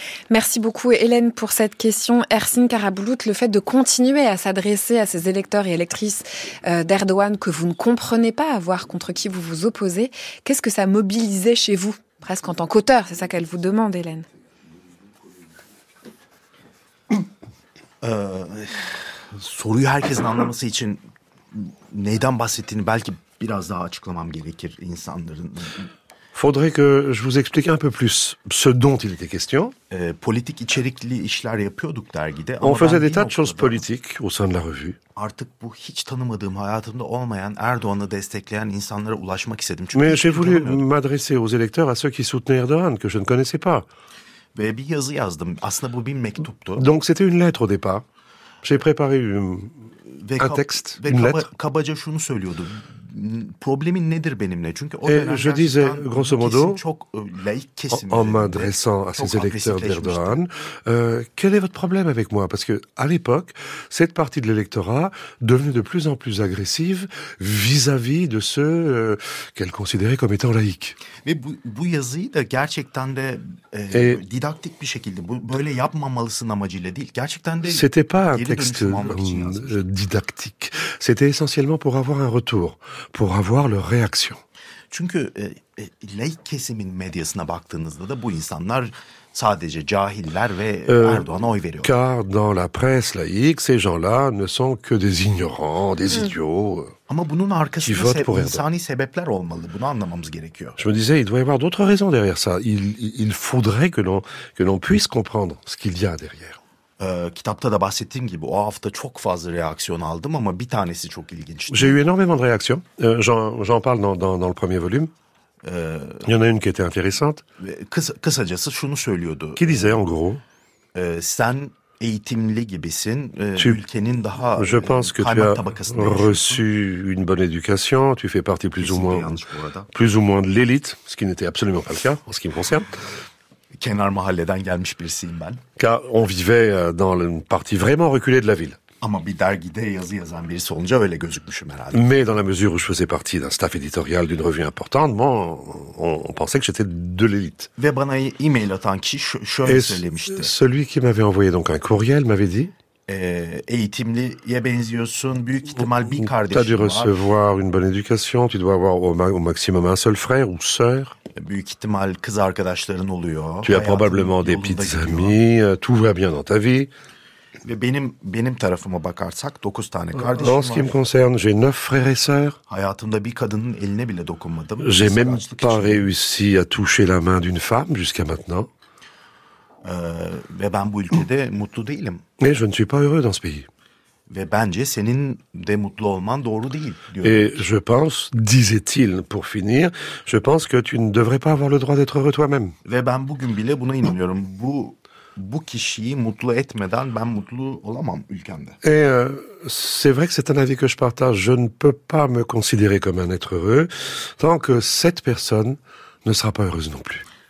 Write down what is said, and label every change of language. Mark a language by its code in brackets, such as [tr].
[fr] Merci beaucoup Hélène pour cette question. Ersin Karabulut, le fait de continuer à s'adresser à ces électeurs et électrices d'Erdogan que vous ne comprenez pas, à voir contre qui vous vous opposez, qu'est-ce que ça mobilisait chez vous, presque en tant qu'auteur? C'est ça qu'elle vous demande, Hélène. [tr] Soruyu herkesin anlaması için neyden bahsettiğini belki biraz daha açıklamam gerekir insanların. [fr] Faudrait que je vous explique un peu plus ce dont il était question. [tr] Politik içerikli işler yapıyorduk dergide. [fr] On faisait des tas de choses politiques au sein de la revue. [tr] Artık bu hiç tanımadığım, hayatımda olmayan Erdoğan'ı destekleyen insanlara ulaşmak istedim. Çünkü [fr] mais j'ai voulu m'adresser aux électeurs, à ceux qui soutenaient Erdoğan, que je ne connaissais pas. [tr] Ve bir yazı yazdım. Aslında bu bir mektuptu. [fr] Donc c'était une lettre au départ. J'ai préparé une lettre. [tr] Kabaca şunu söylüyordum. Problemin nedir benimle? Çünkü o [fr] je disais, grosso modo, en m'adressant à ces électeurs d'Erdoğan, quel est votre problème avec moi? Parce que à l'époque, cette partie de l'électorat devenait de plus en plus agressive vis-à-vis de ceux qu'elle considérait comme étant laïcs. Mais [tr] bu yazıyı da gerçekten de didaktik bir şekilde, böyle yapmamalısın amacıyla değil, gerçekten de... [fr] C'était pas un texte didactique. C'était essentiellement pour avoir un retour, pour avoir leur réaction. [tr] Çünkü laik kesimin medyasına baktığınızda da bu insanlar sadece cahiller ve Erdoğan'a oy veriyor. [fr] Car dans la presse laïque, ces gens-là ne sont que des ignorants, des idiots. [tr] Ama bunun arkasında insani sebepler olmalı. Bunu anlamamız gerekiyor. [fr] Je me disais, il doit y avoir d'autres raisons derrière ça. Il faudrait que l'on puisse comprendre ce qu'il y a derrière. [tr] Kitapta da bahsettiğim gibi o hafta çok fazla reaksiyon aldım ama bir tanesi çok ilginçti. [fr] J'ai eu énormément de réactions. J'en parle dans le premier volume. Il y en a une qui était intéressante. [tr] Kısacası şunu söylüyordu. [fr] Qui disait en gros? [tr] Sen eğitimli gibisin. Ülkenin daha [fr] je pense que tu as reçu une bonne éducation, tu fais partie plus ou moins de l'élite, ce qui n'était absolument pas le cas en ce qui me concerne. [tr] Kenar mahalleden gelmiş birisiyim ben. [fr] Car on vivait dans une partie vraiment reculée de la ville. [tr] Ama bir dergide yazı yazan birisi olunca öyle gözükmüşüm herhalde. [fr] Mais dans la mesure où je faisais partie d'un staff éditorial d'une revue importante, bon, on pensait que j'étais de l'élite. [tr] Ve bana e-mail atan kişi şöyle söylemişti. [fr] Celui qui m'avait envoyé donc un courriel m'avait dit [tr] eğitimliye benziyorsun, büyük ihtimal bir kardeşin var. [fr] Tu as dû recevoir une bonne éducation, tu dois avoir au maximum un seul frère ou sœur. [tr] Büyük ihtimal kız arkadaşların oluyor. [fr] Tu as probablement des petits amis, tout va bien dans ta vie. [tr] Ve benim tarafıma bakarsak 9 tane kardeşim var. [fr] En ce qui me concerne, j'ai 9 frères et sœurs. [tr] Hayatımda bir kadının eline bile dokunmadım. [fr] J'ai même pas réussi à toucher la main d'une femme jusqu'à maintenant. [tr] Ve ben bu ülkede mutlu değilim. [fr] Et je ne suis pas heureux dans ce pays. [tr] Ve bence senin de mutlu olman doğru değil. [fr] Et je pense, disait-il pour finir, je pense que tu ne devrais pas avoir le droit d'être heureux toi-même. [tr] Ve ben bugün bile buna inanıyorum. Bu kişiyi mutlu etmeden ben mutlu olamam ülkemde. [fr] Et c'est vrai que c'est un avis que je partage. Je ne peux pas me considérer comme un être heureux tant que cette personne ne sera pas heureuse non plus.